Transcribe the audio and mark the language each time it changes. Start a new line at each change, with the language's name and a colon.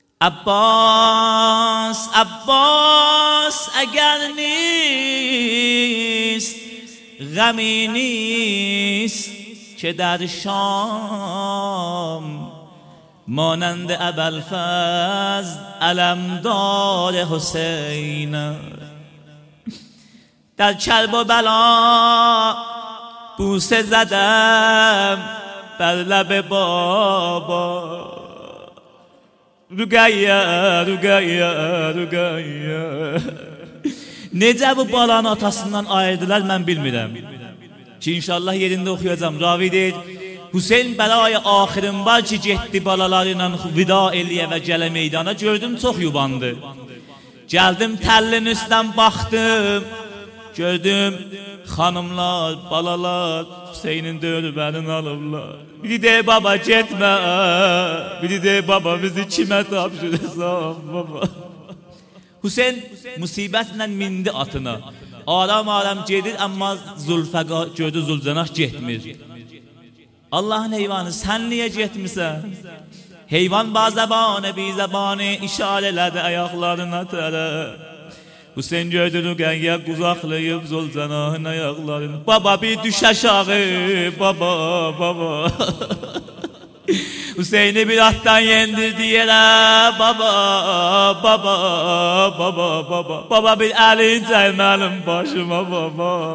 Persian: عباس عباس اگر نیست غمی نیست که در شام مانند ابوالفضل علمدار حسین. در کرب و بلا بوسه زدم بر لب بابا.
Azerbaijani: Rüqəyyə Rüqəyyə Rüqəyyə. Necə bu balanı atasından ayırdılar mən bilmirəm ki inşallah yerində oxuyacağım. Ravi deyir Hüseyn bəlayı axirin var ki, getdi balalarıyla vida eləyə və gələ meydana, gördüm çox yubandı. Gəldim təllin üstdən baxdım, gördüm xanımlar, balalar Hüseynin dövbərini alıblar. Biri de baba getmə, biri de baba bizi kimə tapşırız, baba. Hüseyn musibətlə mindi atına, aram aram gedir, amma Zülfəqa gördü Zülcənah getmir. Allahın heyvanı, sən niyə getmirsən? Heyvan bazabanı, bizabanı işarə elədi ayaqlarına tərəf. Hüseyn gördü Rüqəyyə quzaqlayıb Zülcənahın ayaqlarını. Baba, bir düş aşağı, baba, baba. Hüseyni bir atdan yendirdi yerə, baba, baba, baba, baba. Baba, bir əlin cəlməlim başıma, baba.